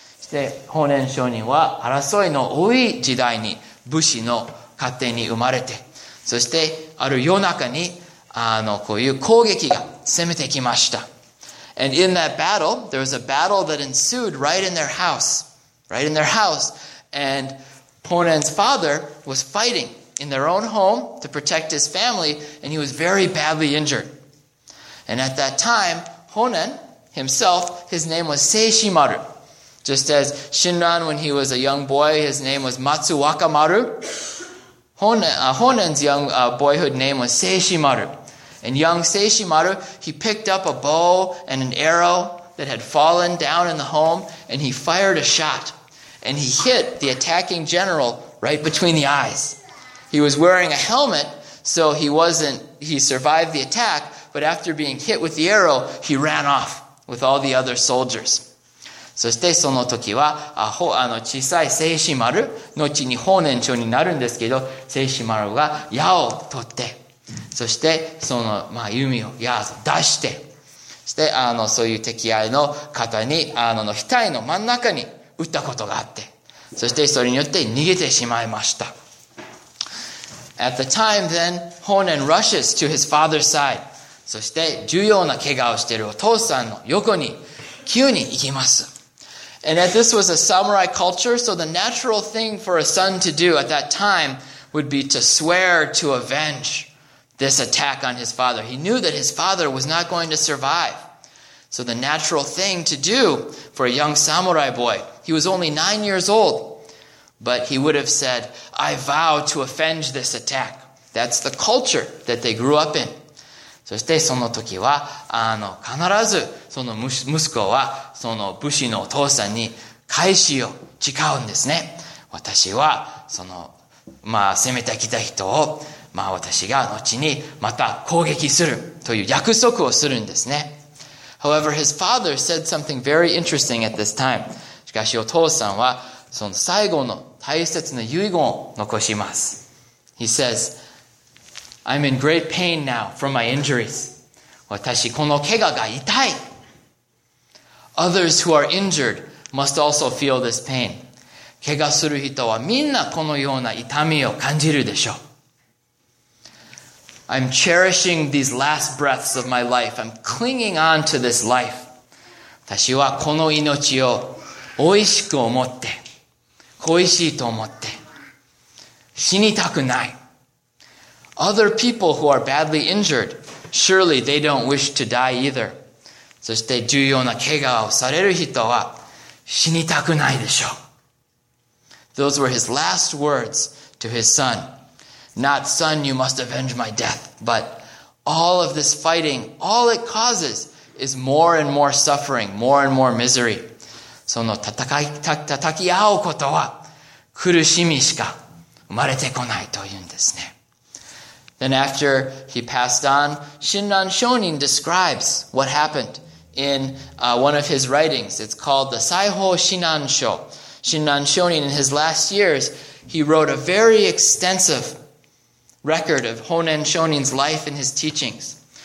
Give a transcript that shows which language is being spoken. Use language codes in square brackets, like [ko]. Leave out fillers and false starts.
[ja] で、法然上人は争いの多い時代に武士の家庭に生まれて、そしてある夜中にこういう攻撃が攻めてきました。 [en] And in that battle, there was a battle that ensued right in their house. Right in their house. And Honen's father was fighting in their own home to protect his family, and he was very badly injured. And at that time, Honen himself, his name was Seishimaru. Just as Shinran, when he was a young boy, his name was Matsuwakamaru. Honen's young boyhood name was Seishimaru. And young Seishimaru, he picked up a bow and an arrow that had fallen down in the home, and he fired a shot. And he hit the attacking general right between the eyes. He was wearing a helmet, so he survived the attack, but after being hit with the arrow, he ran off with all the other soldiers. [ja] そしてその時は、小さい聖子丸、後に法然上になるんですけど、聖子丸が矢を取って、そしてその、弓を矢を出して、そしてそういう敵合いの方に、の額の真ん中に撃ったことがあって、そしてそれによって逃げてしまいました。 [en] At the time then, 法然 rushes to his father's side. [ja] そして重要な怪我をしているお父さんの横に、急に行きます。 [en] And that this was a samurai culture, so the natural thing for a son to do at that time would be to swear to avenge this attack on his father. He knew that his father was not going to survive. So the natural thing to do for a young samurai boy, he was only 9 years old, but he would have said, I vow to avenge this attack. That's the culture that they grew up in. [ja] そしてその時は、必ず、その息子は、その武士のお父さんに、返しを誓うんですね。私は、攻めてきた人を、私が後に、また攻撃する、という約束をするんですね。 [en] However, his father said something very interesting at this time. [ja] しかし、お父さんは、その最後の大切な遺言を残します。 [en] He says,I'm in great pain now from my injuries. [ja] 私この怪我が痛い。 [en] Others who are injured must also feel this pain. [ja] 怪我する人はみんなこのような痛みを感じるでしょう。 [en] I'm cherishing these last breaths of my life. I'm clinging on to this life. [ja] 私はこの命を恋しく思って、恋しいと思って、死にたくない。 [en] Other people who are badly injured, surely they don't wish to die either. [ja] そして重要な怪我をされる人は死にたくないでしょう。 [en] Those were his last words to his son. Not, son, you must avenge my death, but all of this fighting, all it causes is more and more suffering, more and more misery. [ja] その叩き合うことは苦しみしか生まれてこないというんですね。 [en] Then after he passed on, Shinran Shonin describes what happened in one of his writings. It's called the Saiho Shinansho. Shinran Shonin, in his last years, he wrote a very extensive record of Honen Shonin's life and his teachings.